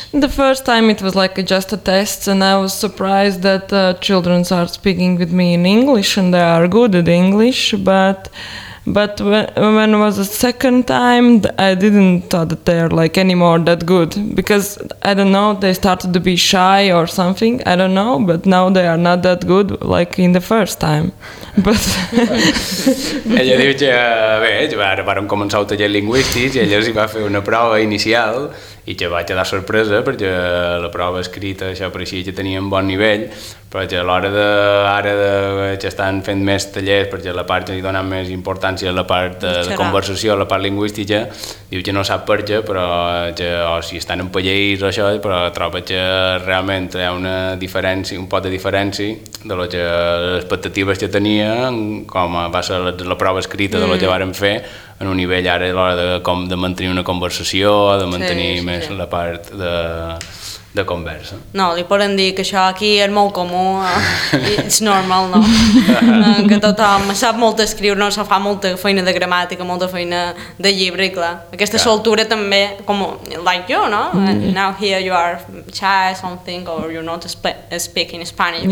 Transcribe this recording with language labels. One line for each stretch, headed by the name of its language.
English: The first time it was like just a test, and I was surprised that children are speaking with me in English and they are good at English, but when was the second time, I didn't thought that they are like any more that good, because I don't know, they started to be shy or something, I don't know, but now they are not that good like in the first time. But
Catalan: ella diu que bé, ara vàrem començar el taller lingüístic i ella s'hi va fer una prova inicial i que va quedar sorpresa, perquè la prova escrita, això, per així, que tenia un bon nivell, Perquè a l'hora de, ara de, que estan fent més tallers, perquè la part li dona més importància a la part de conversació, a la part lingüística, diu que no sap per què, però que, o si estan en pallers o això, però troba que realment hi ha una diferència, un pot de diferència de lo que, les expectatives que tenia, com va ser la prova escrita de lo que vàrem fer, en un nivell ara a l'hora de, com de mantenir una conversació, de mantenir més la part de... de conversa. No, li poden dir que això aquí és molt comú,
English: it's normal,
Catalan: no? Que tothom sap molt escriure, no? Se fa molta feina de gramàtica, molta feina de llibre, i clar, aquesta soltura també, com,
English: like you,
Catalan: no?
English: And now here you are shy something or you're not speaking Spanish.